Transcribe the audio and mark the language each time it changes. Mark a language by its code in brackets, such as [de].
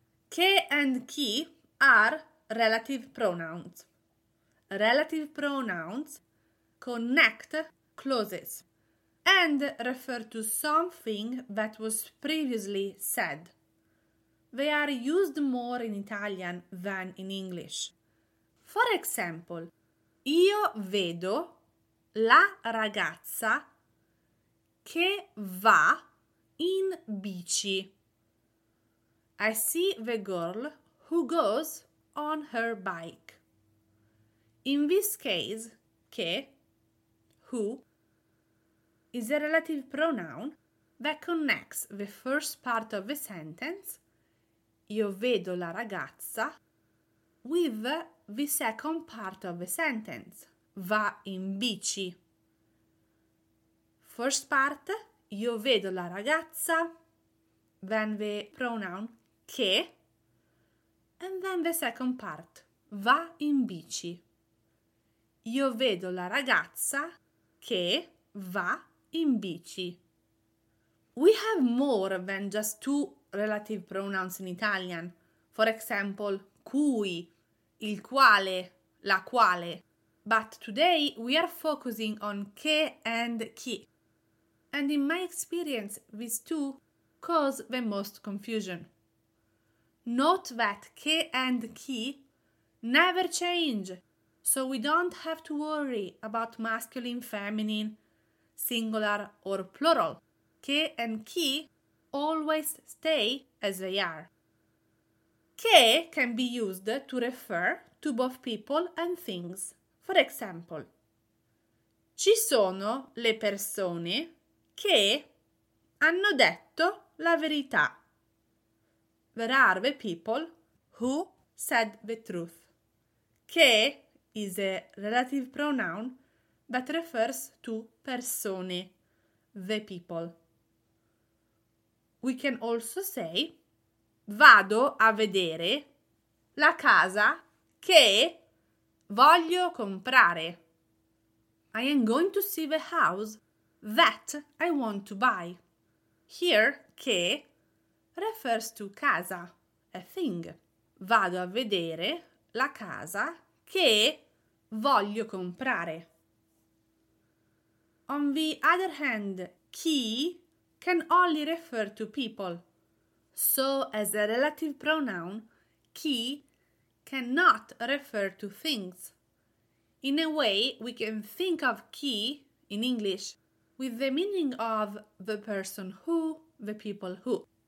[en] Che and chi are relative pronouns. Relative pronouns connect clauses and refer to something that was previously said. They are used more in Italian than in English. For example, [it] io vedo la ragazza che va in bici. [en] I see the girl who goes on her bike. In this case, che, who, is a relative pronoun that connects the first part of the sentence, [it] io vedo la ragazza, [en] with the second part of the sentence, [it] va in bici. [en] First part, [it] io vedo la ragazza, [en] then the pronoun che, and then the second part, [it] va in bici. Io vedo la ragazza che va in bici. [en] We have more than just two relative pronouns in Italian. For example, cui, il quale, la quale. But today we are focusing on che and chi. And in my experience, these two cause the most confusion. Note that che and chi never change, so we don't have to worry about masculine, feminine, singular or plural. Che and chi always stay as they are. Che can be used to refer to both people and things. For example, [it] ci sono le persone che hanno detto la verità. [en] There are the people who said the truth. Che is a relative pronoun that refers to persone, the people. We can also say [it] vado a vedere la casa che voglio comprare. [en] I am going to see the house that I want to buy. Here, che refers to casa, a thing. [it] Vado a vedere la casa che voglio comprare. [en] On the other hand, chi can only refer to people. So, as a relative pronoun, chi cannot refer to things. In a way, we can think of chi in English with the meaning of the person who, the people who.